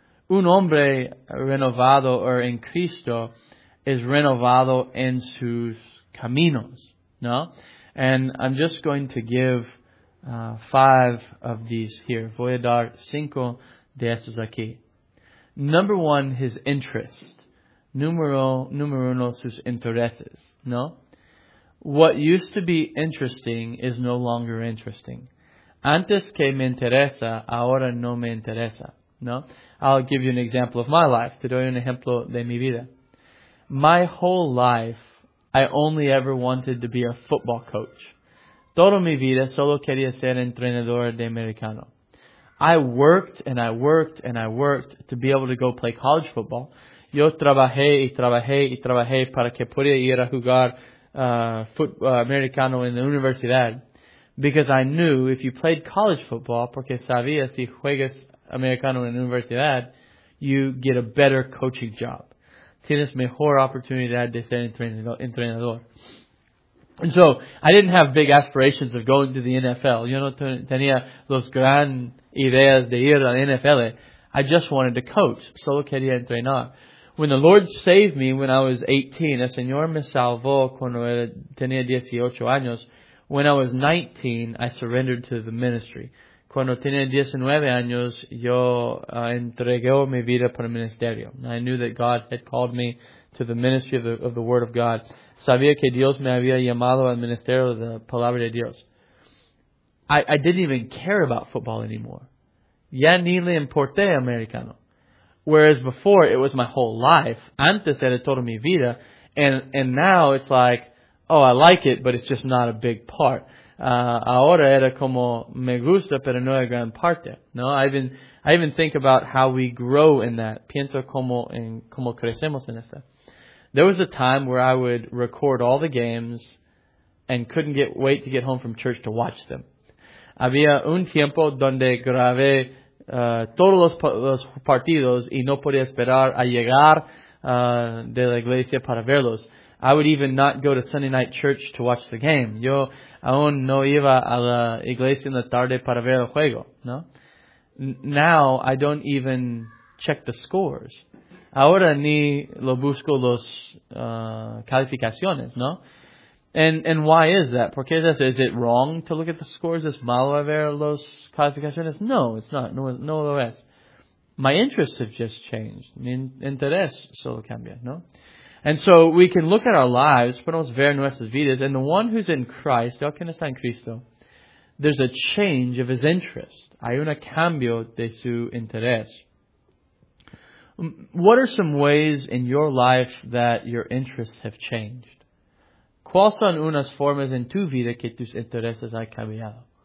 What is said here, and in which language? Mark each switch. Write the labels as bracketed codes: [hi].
[es] Un hombre renovado or en Cristo is renovado en sus caminos, ¿no? [en] And I'm just going to give five of these here. [es] Voy a dar cinco de estos aquí. [en] Number one, his interest. [es] Número uno, sus intereses, ¿no? [en] What used to be interesting is no longer interesting. [es] Antes que me interesa, ahora no me interesa, ¿no? [en] I'll give you an example of my life. [es] Te doy un ejemplo de mi vida. [en] My whole life, I only ever wanted to be a football coach. [es] Toda mi vida solo quería ser entrenador de americano. [en] I worked and I worked and I worked to be able to go play college football. [es] Yo trabajé y trabajé y trabajé para que pudiera ir a jugar americano en la universidad. [en] Because I knew if you played college football, [es] porque sabía si juegas americano en la universidad, [en] you get a better coaching job. [es] Tienes mejor oportunidad de ser entrenador. [en] And so, I didn't have big aspirations of going to the NFL. [es] Yo no tenía los gran ideas de ir a la NFL. [en] I just wanted to coach. [es] Solo quería entrenar. [en] When the Lord saved me when I was 18, [es] el Señor me salvó cuando tenía 18 años. [en] When I was 19, I surrendered to the ministry. [es] Cuando tenía 19 años, yo entregué mi vida para el ministerio. [en] I knew that God had called me to the ministry of the Word of God. [es] Sabía que Dios me había llamado al ministerio de la Palabra de Dios. [en] I didn't even care about football anymore. [es] Ya ni le importé americano. [en] Whereas before, it was my whole life. [es] Antes era toda mi vida. [en] And now it's like, oh, I like it, but it's just not a big part. [es] Ahora era como, me gusta, pero no es gran parte. [en] No, I even think about how we grow in that. [es] Pienso como crecemos en esta. [en] There was a time where I would record all the games and couldn't wait to get home from church to watch them. [es] Había un tiempo donde grabé todos los partidos y no podía esperar a llegar de la iglesia para verlos. [en] I would even not go to Sunday night church to watch the game. [es] Yo aún no iba a la iglesia en la tarde para ver el juego, ¿no? [en] Now, I don't even check the scores. [es] Ahora ni lo busco los calificaciones, ¿no? [en] And why is that? [es] ¿Por qué es eso? [en] Is it wrong to look at the scores? [es] ¿Es malo a ver los calificaciones? [en] No, it's not. [es] No lo es. [en] My interests have just changed. [es] Mi interés solo cambia, ¿no? [en] And so we can look at our lives, [es] podemos ver nuestras vidas, [en] and the one who's in Christ, [es] el que está en Cristo, [en] there's a change of his interest. [es] Hay un cambio de su interés. [en] What are some ways in your life that your interests have changed? [es] ¿Cuáles son unas formas en tu vida que tus intereses han cambiado?